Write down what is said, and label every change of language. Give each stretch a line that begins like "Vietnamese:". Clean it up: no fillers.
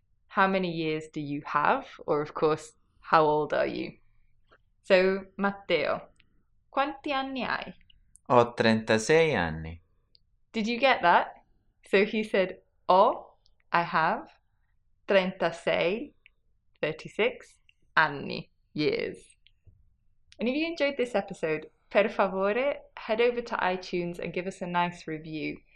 English: How many years do you have? Or, of course, how old are you? So,
Italian: Matteo, quanti anni hai? Ho 36 anni.
English: Did you get that? So he said, oh, I have 36, 36
Italian: anni
English: years. And if you enjoyed this episode,
Italian: per favore,
English: head over to iTunes and give us a nice review.